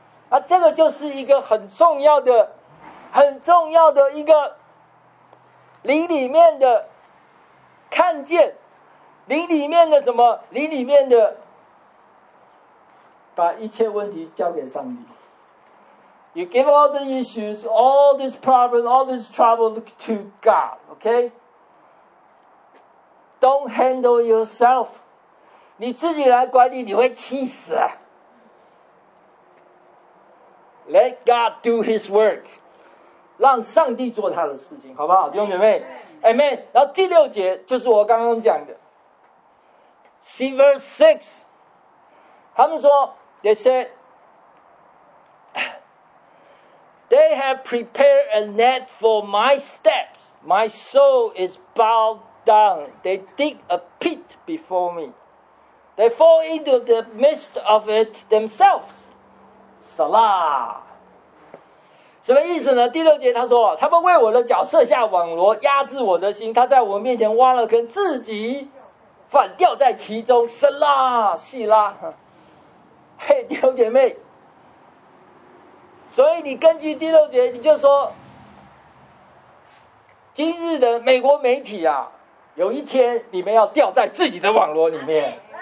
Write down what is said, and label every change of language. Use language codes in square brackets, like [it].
[zh] 啊，这个就是一个很重要的一个灵里面的看见，灵里面的什么？灵里面的把一切问题交给上帝。 [en] You give all the issues, all this problem, all this trouble to God, okay? Don't handle yourself. [zh] 你自己来管理，你会气死啊。 [en] Let God do His work. [zh] 让上帝做他的事情，好不好？弟兄姐妹 ，Amen. 然后第六节就是我刚刚讲的 ， [en] See verse six. [zh] 他们说 [en] ，They said they have prepared a net for my steps. My soul is bowed down. They dig a pit before me. They fall into the midst of it themselves. [zh] Salah. 什么意思呢？第六节他说，他们为我的脚设下网罗，压制我的心，他在我面前挖了坑，自己反掉在其中，是啦，细啦。嘿，弟兄姐妹，所以你根据第六节，你就说，今日的美国媒体啊，有一天你们要掉在自己的网罗里面。